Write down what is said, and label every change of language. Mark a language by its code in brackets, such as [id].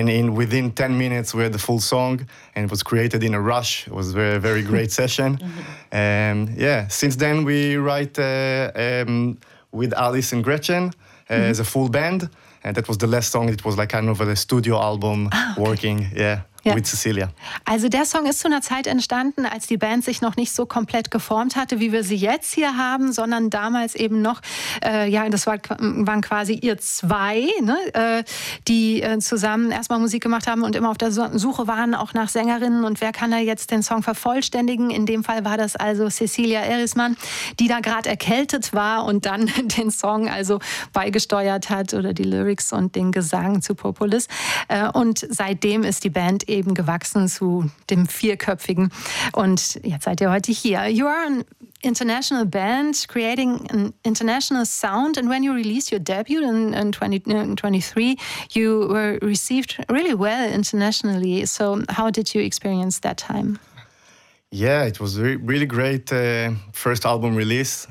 [en] And in within 10 minutes, we had the full song, and it was created in a rush. It was a very, very great set. Mm-hmm. Since then we write with Alice and Gretchen mm-hmm. as a full band, and that was the last song. It was like kind of a studio album with Cecilia. [de] Also der Song ist zu einer Zeit entstanden, als die Band sich noch nicht so komplett geformt hatte, wie wir sie jetzt hier haben, sondern damals eben noch, waren quasi ihr zwei, ne, die zusammen erstmal Musik gemacht haben und immer auf der Suche waren, auch nach Sängerinnen und wer kann da jetzt den Song vervollständigen. In dem Fall war das also Cecilia Eisman, die da gerade erkältet war und dann den Song also beigesteuert hat oder die Lyrics und den Gesang zu Propolis. Und seitdem ist die Band eben gewachsen zu dem Vierköpfigen. Und jetzt seid ihr heute hier. [en] You are an international band creating an international sound. And when you released your debut in 2023, you were received really well internationally. So how did you experience that time? Yeah, it was really great first album release.